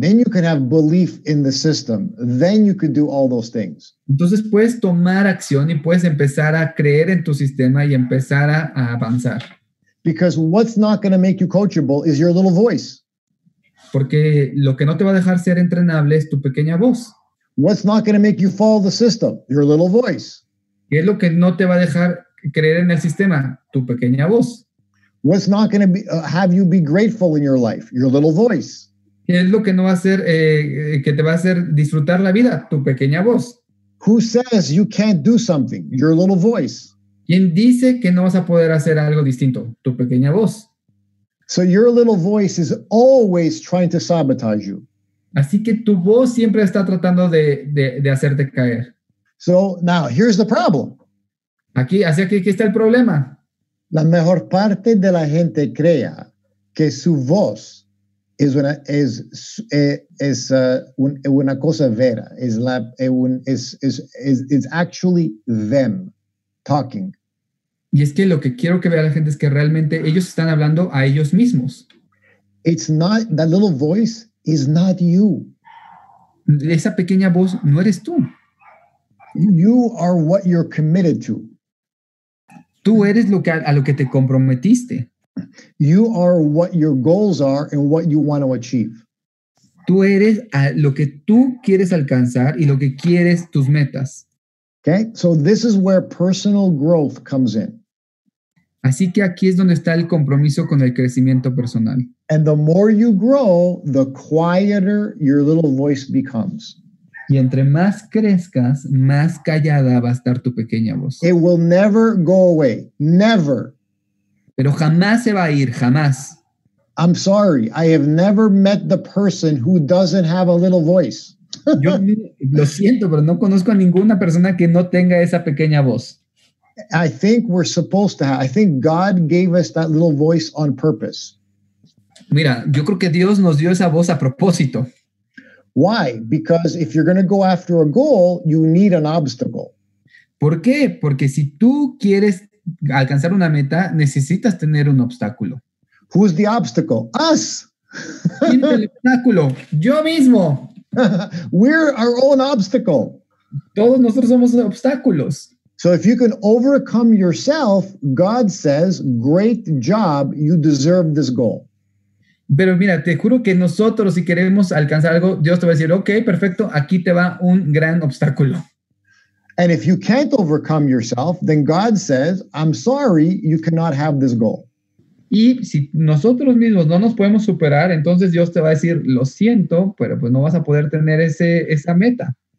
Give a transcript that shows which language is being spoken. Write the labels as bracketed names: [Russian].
[English] Then you can have belief in the system. Then you can do all those things. [Spanish] Entonces puedes tomar acción y puedes empezar a creer en tu sistema y empezar a avanzar. [English] Because what's not going to make you coachable is your little voice. [Spanish] Porque lo que no te va a dejar ser entrenable es tu pequeña voz. [English] What's not going to make you follow the system? Your little voice. [Spanish] ¿Qué es lo que no te va a dejar creer en el sistema? Tu pequeña voz. [English] What's not going to have you be grateful in your life? Your little voice. [Spanish] ¿Qué es lo que no va a hacer que te va a hacer disfrutar la vida? Tu pequeña voz. [English] Who says you can't do something? Your little voice. [Spanish] ¿Quién dice que no vas a poder hacer algo distinto? Tu pequeña voz. [English] So your little voice is always trying to sabotage you. [Spanish] Así que tu voz siempre está tratando de hacerte caer. [English] So now here's the problem. [Spanish] Aquí está el problema. La mejor parte de la gente crea que su voz es una cosa vera, [English] is actually them talking. [Spanish] Y es que lo que quiero que vea la gente es que realmente ellos están hablando a ellos mismos. [English] It's not, that little voice is not you. [Spanish] Esa pequeña voz no eres tú. [English] You are what you're committed to. [Spanish] Tú eres lo que te comprometiste. [English] You are what your goals are and what you want to achieve. [Spanish] Tú eres a lo que tú quieres alcanzar y lo que quieres tus metas. [English] Okay, so this is where personal growth comes in. [Spanish] Así que aquí es donde está el compromiso con el crecimiento personal. [English] And the more you grow, the quieter your little voice becomes. [Spanish] Y entre más crezcas, más callada va a estar tu pequeña voz. [English] It will never go away. Never. [Spanish] Pero jamás se va a ir, jamás. [English] I'm sorry, I have never met the person who doesn't have a little voice. [Spanish] Yo lo siento, pero no conozco a ninguna persona que no tenga esa pequeña voz. [English] I think we're supposed to have. I think God gave us that little voice on purpose. [Spanish] Mira, yo creo que Dios nos dio esa voz a propósito. [English] Why? Because if you're going to go after a goal, you need an obstacle. [Spanish] ¿Por qué? Porque si tú quieres alcanzar una meta, necesitas tener un obstáculo. [English] Who's the obstacle? Us. [Spanish] ¿Quién es el obstáculo? Yo mismo. [English] We're our own obstacle. [Spanish] Todos nosotros somos obstáculos. [English] So if you can overcome yourself, God says, great job, you deserve this goal. [Spanish] Pero mira, te juro que nosotros, si queremos alcanzar algo, Dios te va a decir, ok, perfecto, aquí te va un gran obstáculo. [English] And if you can't overcome yourself, then God says, I'm sorry, you cannot have this goal. [Spanish] Y si nosotros mismos no nos podemos superar, entonces Dios te va a decir, lo siento, pero pues no vas a poder tener esa meta.